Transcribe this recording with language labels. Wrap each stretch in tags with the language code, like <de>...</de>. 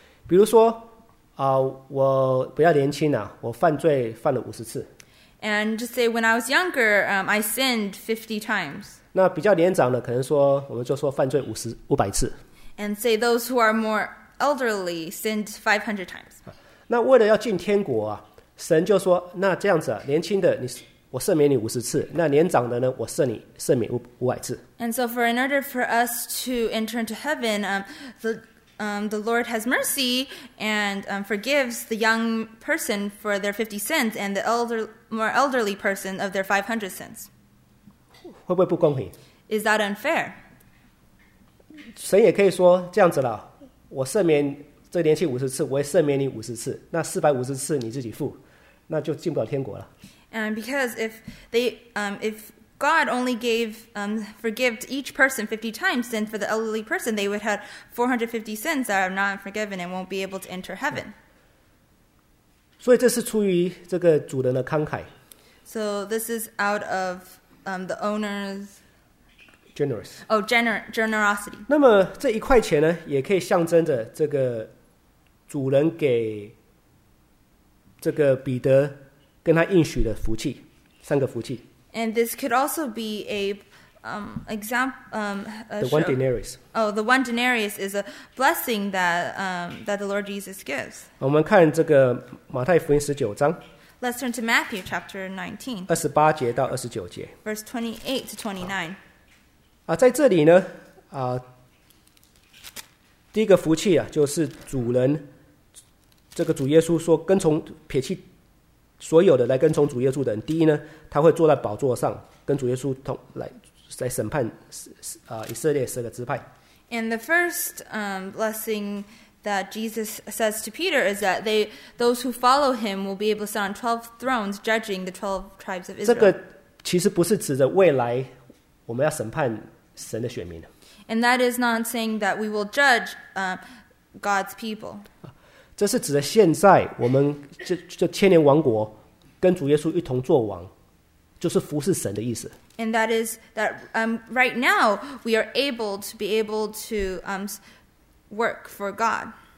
<zh>比如说，我比较年轻啊，我犯罪犯了50次。</zh> <en>And just say, when I was younger, I sinned 50 times.</en> <zh>那比较年长的可能说，我们就说犯罪500次。</zh> <en>And say those who are more elderly sinned 500 times.</en> <zh>那为了要进天国啊，神就说，那这样子啊，年轻的你我赦免你50次，那年长的呢，我赦免500次。</zh> <en>And so for in order for us to enter into heaven, the Lord has mercy and forgives the young person for their 50 sins and the more elderly person of their 500 sins.</en> <zh>会不会不公平？</zh> <en>Is that unfair?</en> <zh>神也可以说这样子了，我赦免这年轻50次，我也赦免你50次，那450次你自己付，那就进不了天国了。</zh> <en>And because if God only gave forgived each person 50 times, then for the elderly person, they would have 450 sins that are not forgiven and won't be able to enter heaven.</en> <zh>所以这是出于这个主人的慷慨。</zh> <en>So this is out of the owner's generous. Oh, generosity.</en> <zh>那么这一块钱呢，也可以象征着这个主人给这个彼得。跟他应许的福气，三个福气。</zh> <en>And this could also be a The one denarius. Oh, the one denarius is a blessing that that the Lord Jesus gives.</en> <zh>我们看这个马太福音十九章。</zh> <en>Let's turn to Matthew chapter 19. 28-29. Verse 28-29.</en> <zh>在这里呢，第一个福气啊，就是主人，这个主耶稣说，跟从撇弃。所有的来跟从主耶稣的人，第一呢，他会坐在宝座上，跟主耶稣同来审判以色列十个支派。</zh> <en>And the first blessing that Jesus says to Peter is that those who follow him will be able to sit on 12 thrones judging the 12 tribes of Israel.</en> <zh>这个其实不是指着未来我们要审判神的选民。</zh> <en>And that is not saying that we will judge God's people.</en> <zh>这是指的现在我们这千年王国跟主耶稣一同作王，就是服侍神的意思。</zh> <en>And that is that right now we are able to be able to work for God.</en>